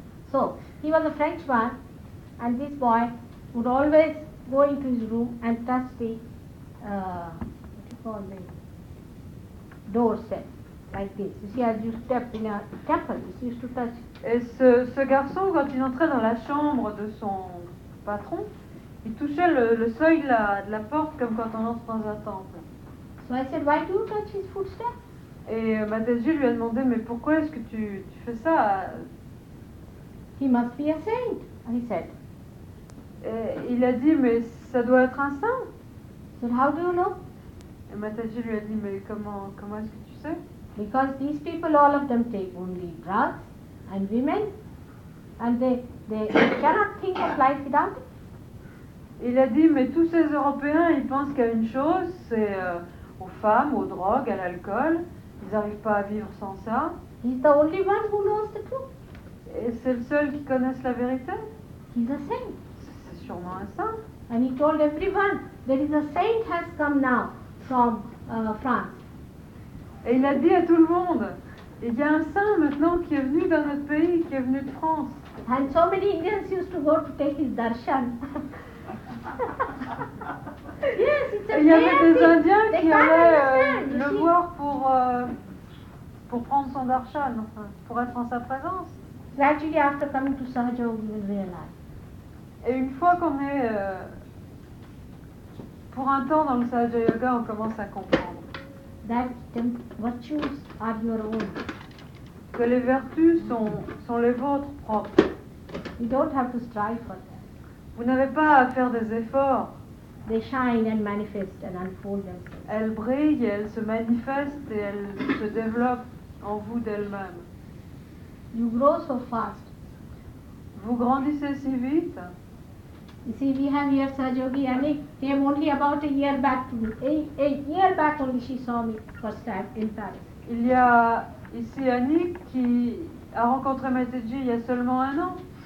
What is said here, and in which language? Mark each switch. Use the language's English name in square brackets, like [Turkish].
[English] So he was a Frenchman, and this boy would always go into his room and touch the what do you call the door set. Like this. You see, as you step in a temple, you used to touch. [French] Et ce garçon, quand il entrait dans la chambre de son patron, il touchait le seuil de la porte comme quand on entre dans un temple. [English] So I said, why do you touch his footstep? [French] Et Mataji lui a demandé, mais pourquoi est-ce que tu fais ça? [English] He must be a saint, he said. [French] Et il a dit, mais ça doit être un saint. [English] So how do you know? [French] Et Mataji lui a dit, mais comment est-ce que tu sais? [English] Because these people, all of them take only drugs and women, and they cannot think of life without it. [French] Il a dit, mais tous ces Européens, ils pensent qu'à une chose, c'est aux femmes, aux drogues, à l'alcool. Ils n'arrivent pas à vivre sans ça. [English] He's the only one who knows the truth. [French] Et c'est le seul qui connaisse la vérité. [English] He's a saint. [French] C'est sûrement un saint. [English] And he told everyone, there is a saint has come now from France. [French] Et il a dit à tout le monde, il y a un saint maintenant qui est venu dans notre pays, qui est venu de France. [English] And so many Indians used to go to take his darshan. Yes, it's a [French] il y avait des [English] thing. [French] Indiens [English] they [French] qui allaient le voir pour prendre son darshan, pour être en sa présence. [English] Gradually after coming to Sahaja, we will realize. [French] Et une fois qu'on est pour un temps dans le Sahaja Yoga, on commence à comprendre. [English] That virtues are your own. [French] que les vertus sont les vôtres propres. [English] You don't have to strive for them. [French] Vous n'avez pas à faire des efforts. [English] They shine and manifest and unfold themselves. [French] Elles brillent, elles se manifestent et elles se développent en vous d'elles-mêmes. [English] You grow so fast. [French] Vous grandissez si vite. [English] You see, we have here Sahaja Yogi, and he came only about a year back to me. A year back only she saw me first time in Paris. [French] Il y a ici Annick qui a rencontré Mataji il y a seulement un an.